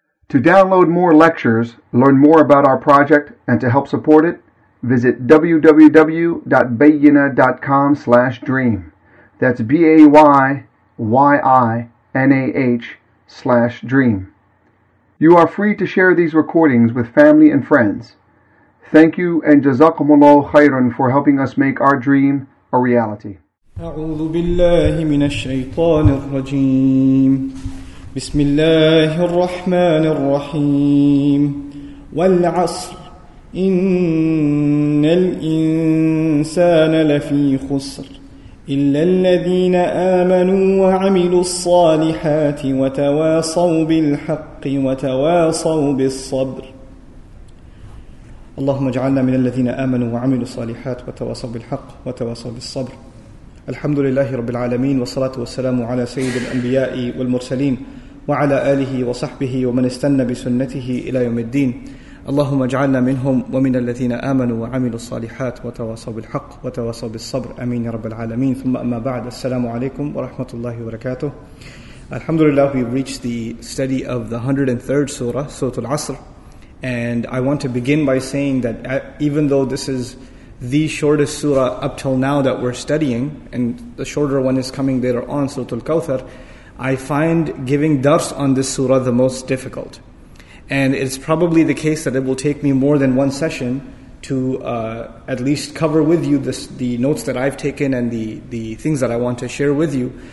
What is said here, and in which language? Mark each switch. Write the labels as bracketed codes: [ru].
[en] To download more lectures, learn more about our project, and to help support it, visit www.bayinah.com/dream. That's BAYYINAH/dream. You are free to share these recordings with family and friends. Thank you and Jazakumullah Khairan for helping us make our dream a reality. [ar] أعوذ بالله من الشيطان الرجيم بسم الله الرحمن الرحيم والعصر إن الإنسان لفي خسر إلا الذين آمنوا وعملوا الصالحات وتواصوا بالحق وتواصوا بالصبر اللهم اجعلنا من الذين آمنوا وعملوا الصالحات وتواصوا بالحق وتواصوا بالصبر الحمد لله رب العالمين والصلاة والسلام على سيد الأنبياء والمرسلين وعلى آله وصحبه ومن استنى بسنته إلى يوم الدين اللهم اجعلنا منهم ومن الذين آمنوا وعملوا الصالحات وتواصوا بالحق وتواصوا بالصبر أمين رب العالمين ثم أما بعد السلام عليكم ورحمة الله وبركاته الحمد لله [en] we've reached the study of the 103rd surah, Surah Al-Asr. And I want to begin by saying that even though this is the shortest surah up till now that we're studying, and the shorter one is coming later on, Surah Al-Kawthar, I find giving dars on this surah the most difficult. And it's probably the case that it will take me more than one session to at least cover with you the notes that I've taken and the things that I want to share with you.